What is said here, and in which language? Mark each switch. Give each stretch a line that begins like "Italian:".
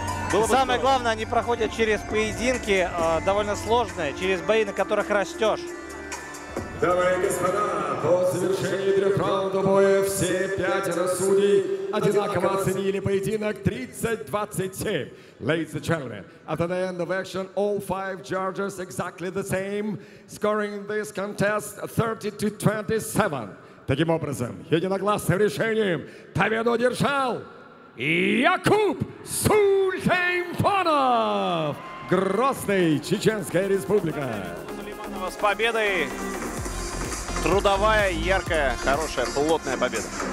Russian: Было бы самое здорово. Главное, они проходят через поединки довольно сложные, через бои, на которых растешь. Дамы и господа, по завершении трех раундов боя все пятеро судей одинаково оценили поединок 30-27.
English: Ladies and gentlemen, after the end of action, all five judges exactly the same, scoring this contest 30-27.
Russian: Таким образом, единогласным решением победу одержал Якуб Сулейманов, Грозный, Чеченская Республика. С победой! Трудовая, яркая, хорошая, плотная победа.